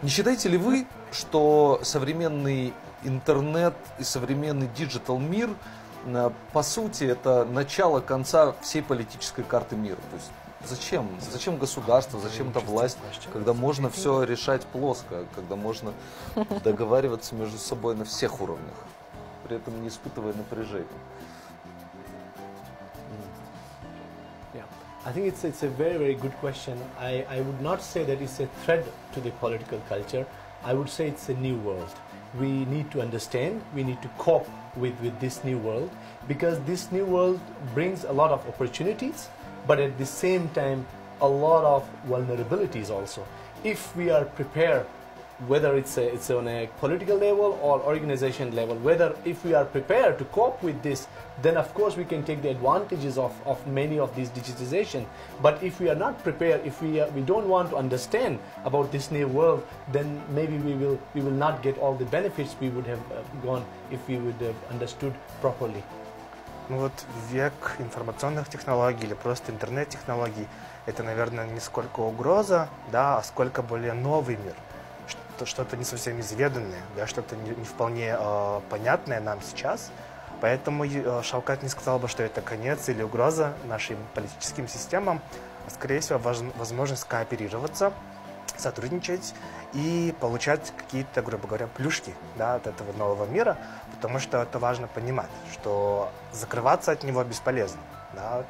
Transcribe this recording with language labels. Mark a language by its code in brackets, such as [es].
[ru] Не считаете ли вы, что современный интернет и современный диджитал мир, по сути, это начало конца всей политической карты мира? То есть зачем? Зачем государство, зачем эта власть, когда можно все решать плоско, когда можно договариваться между собой на всех уровнях, при этом не испытывая напряжения? [en] I think it's a very, very good question. I would not say that it's a threat to the political culture. I would say it's a new world. We need to understand, we need to cope with this new world, because this new world brings a lot of opportunities, but at the same time, a lot of vulnerabilities also. If we are prepared, whether it's on a political level or organization level, whether if we are prepared to cope with this, then of course we can take the advantages of many of these digitization. But if we are not prepared, if we don't want to understand about this new world, then maybe we will not get all the benefits we would have gone if we would have understood properly. [ru] Ну вот век информационных технологий или просто интернет-технологий — это, наверное, не сколько угроза, да, а сколько более новый мир. что-то не совсем изведанное, да, что-то не вполне понятное нам сейчас. Поэтому Шавкат не сказал бы, что это конец или угроза нашим политическим системам, а скорее всего возможность кооперироваться, сотрудничать и получать какие-то, грубо говоря, плюшки, да, от этого нового мира, потому что это важно понимать, что закрываться от него бесполезно. Да.